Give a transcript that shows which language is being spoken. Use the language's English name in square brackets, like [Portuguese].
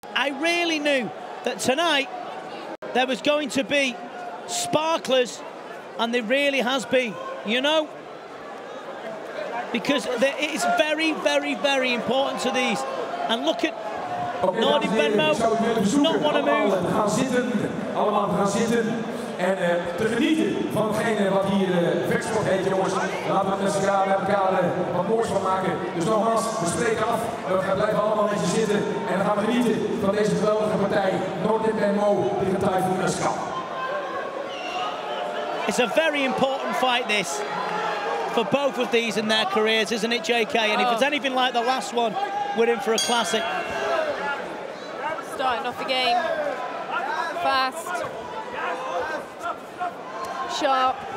[English] I really knew that tonight there was going to be sparklers, and there really has been, you know? Because there, it is very, very, very important to these. And look at. Okay, Nordin Benmo does not want to move. [Dutch] Gaan zitten, allemaal gaan zitten en te genieten van hetgene wat hier vechtsport heet, jongens. Laten we met elkaar wat moois van maken. Dus nogmaals, we spreken af. We blijven allemaal met je zitten en gaan genieten van deze geweldige partij. Nordin Benmo tegen Tayfun Ozcan. [English] It's a very important fight this for both of these in their careers, isn't it, JK? And if it's anything like the last one, we're in for a classic. Starting off the game, fast, sharp.